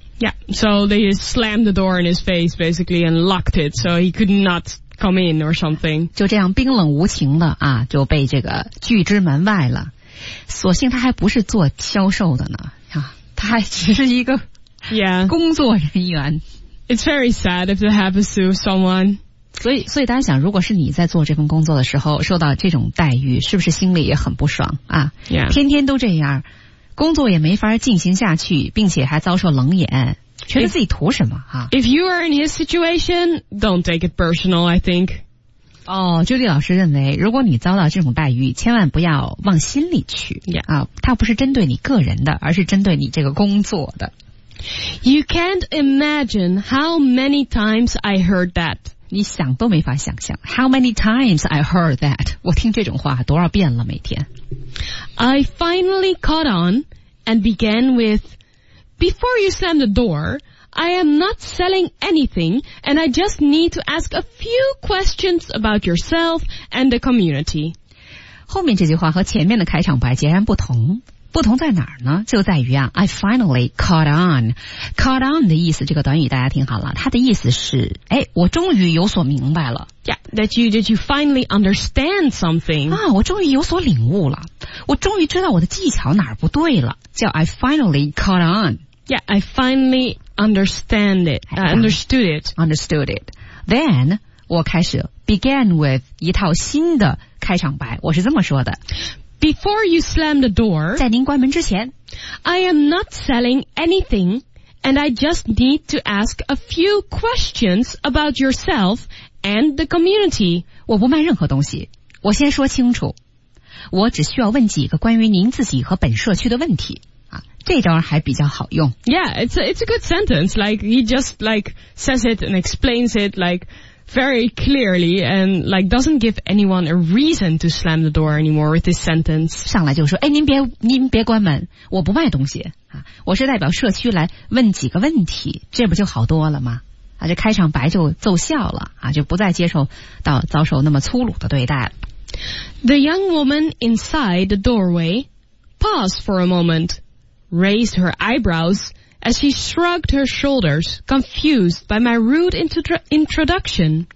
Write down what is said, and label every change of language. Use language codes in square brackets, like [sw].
[en] Yeah, so they slammed the door in his face, basically, and locked it, so he could not. Come in or something. [zh] 就这样冰冷无情的啊，就被这个拒之门外了。所幸他还不是做销售的呢，啊，他还只是一个工作人员。 [en] Yeah. It's very sad if that happens to someone. [zh] 所以大家想，如果是你在做这份工作的时候受到这种待遇，是不是心里也很不爽啊？ [en] Yeah. [zh] 天天都这样，工作也没法进行下去，并且还遭受冷眼。觉得自己图什么啊 [en] ？If you are in his situation, don't take it personal. I think. [zh] 哦，朱迪老师认为，如果你遭到这种待遇，千万不要往心里去。 [en] Yeah. [zh] 啊，他不是针对你个人的，而是针对你这个工作的。 [en] You can't imagine how many times I heard that. [zh] 你想都没法想象 [en] ，how many times I heard that. [zh] 我听这种话多少遍了，每天。 [en] I finally caught on and began with. Before you slam the door, I am not selling anything, and I just need to ask a few questions about yourself and the community. [zh] 后面这句话和前面的开场白截然不同。不同在哪儿呢？就在于啊 ， [en] I finally caught on. [zh] Caught on 的意思，这个短语大家听好了，它的意思是，哎，我终于有所明白了。 [en] Yeah, that you finally understand something. [zh] 啊，我终于有所领悟了，我终于知道我的技巧哪儿不对了，叫 [en] I finally caught on. Yeah, I finally understand it. Understood it. Understood it. Then [zh] 我开始 [en] began with [zh] 一套新的开场白，我是这么说的。 [en] Before you slam the door, [zh] 在您关门之前 [en] I am not selling anything, and I just need to ask a few questions about yourself and the community. [zh] 我不卖任何东西，我先说清楚，我只需要问几个关于您自己和本社区的问题。这招还比较好用。 [en] Yeah, it's a good sentence. Like, he just, like, says it and explains it, like, very clearly and like doesn't give anyone a reason to slam the door anymore with this sentence. [zh] 上来就说，哎，您别关门，我不卖东西啊，我是代表社区来问几个问题，这不就好多了吗？啊，这开场白就奏效了啊，就不再接受到遭受那么粗鲁的对待了。 [en] The young woman inside the doorway paused for a moment, raised her eyebrows as she shrugged her shoulders, confused by my rude introduction.